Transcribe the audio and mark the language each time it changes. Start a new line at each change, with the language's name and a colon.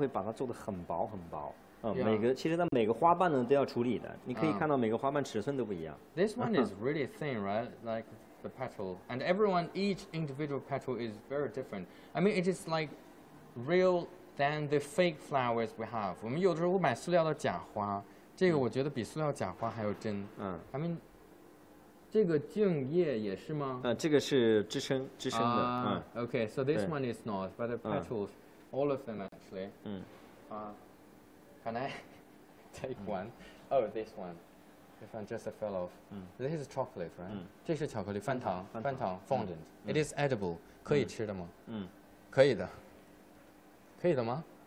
Chinese: 这些花看起来真的好真呢。我们做花都会把它做得很薄很薄。每个其实它每个花瓣呢都要处理的，你可以看到每个花瓣尺寸都不一样。
English: This one is really thin, right? Like the petal, and everyone each individual petal is very different. I mean, it is like real than the fake flowers we have.
Chinese: 我们有的时候买塑料的假花，这个我觉得比塑料假花还要真。
English: I mean,
Chinese: 这个茎叶也是吗? 这个是支撑的。
English: Okay, so this one is not, but the petals, all of them actually. Can I take one? Oh, this one. If I just fell off. This is chocolate, right?
Chinese: 这是巧克力,翻糖,
English: fondant. It is edible.
Chinese: 可以吃的吗?可以的。可以的吗?